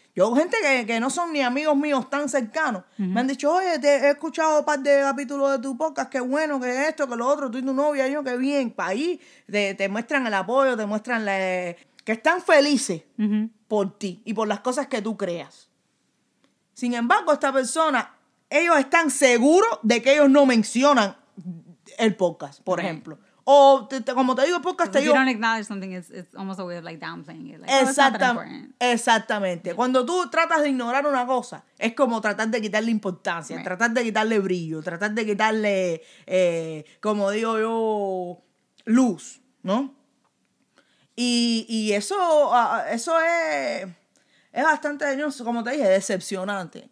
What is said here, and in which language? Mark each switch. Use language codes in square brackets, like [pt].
[es] Yo, gente que no son ni amigos míos tan cercanos, me han dicho, oye, te he escuchado un par de capítulos de tu podcast, qué bueno, qué esto, qué lo otro, tú y tu novia, yo, qué bien, para ahí, te muestran el apoyo, te muestran la, que están felices por ti y por las cosas que tú creas. Sin embargo, esta persona, ellos están seguros de que ellos no mencionan el podcast, por ejemplo. O como te digo, el podcast te digo... [en] If you don't acknowledge something, it's almost a way of like downplaying it. Like, [es] Exactamente. [en] Yeah. [es] Cuando tú tratas de ignorar una cosa, es como tratar de quitarle importancia, tratar de quitarle brillo, tratar de quitarle, como digo yo, luz, ¿no? Y eso, eso es bastante, como te dije, decepcionante.